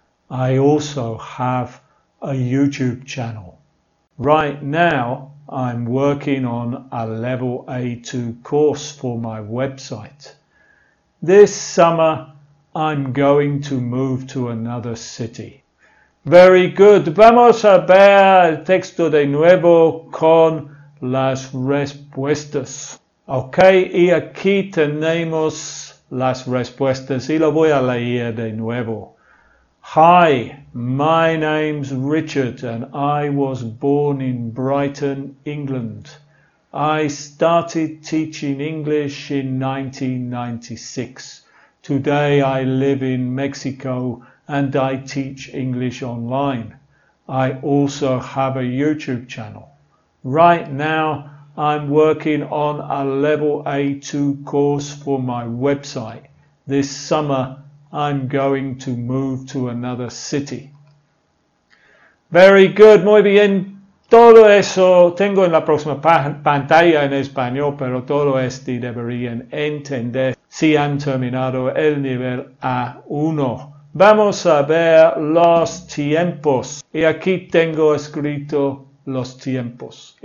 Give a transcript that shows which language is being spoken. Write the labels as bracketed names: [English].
[English] I also have a YouTube channel. Right now I'm working on a level A2 course for my website. This summer I'm going to move to another city. Very good. [Spanish] Vamos a ver el texto de nuevo con las respuestas. Ok, y aquí tenemos las respuestas y lo voy a leer de nuevo. [English] Hi, my name's Richard and I was born in Brighton, England. I started teaching English in 1996. Today I live in Mexico. And I teach English online. I also have a YouTube channel. Right now, I'm working on a level A2 course for my website. This summer, I'm going to move to another city. Very good, [Spanish] muy bien. Todo eso tengo en la próxima pa pantalla en español, pero todo esto deberían entender si han terminado el nivel A1. Vamos a ver los tiempos. Y aquí tengo escrito los tiempos.